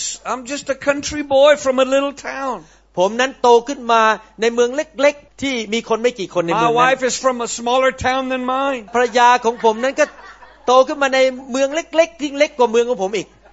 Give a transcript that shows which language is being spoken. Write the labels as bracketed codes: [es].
[en] I'm just a country boy from a little town. [th] ผมนั้นโตขึ้นมาในเมืองเล็กๆที่มีคนไม่กี่คนในเมือง นั้ น [en] My wife is from a smaller town than mine. [th] ภรรยาของผมนั้นก็โตขึ้นมาในเมืองเล็กๆยิ่งเล็กกว่าเมืองของผมอีก